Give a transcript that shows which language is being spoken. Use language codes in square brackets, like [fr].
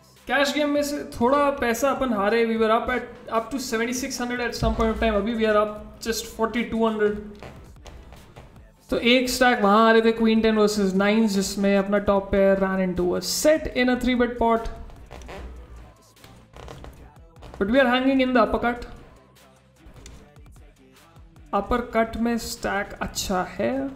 [hi] Cash game में से थोड़ा पैसा अपन हारे. [en] We were up to 7600 at some point of time. [hi] अभी [en] we are up just 4200. [hi] तो एक स्टैक वहां आ रहे थे [en] queen 10 versus 9 [hi] जिसमें अपना [en] Top pair run into a set in a 3 bet pot. But we are hanging in the upper cut. [hi] Upper cut में stack अच्छा है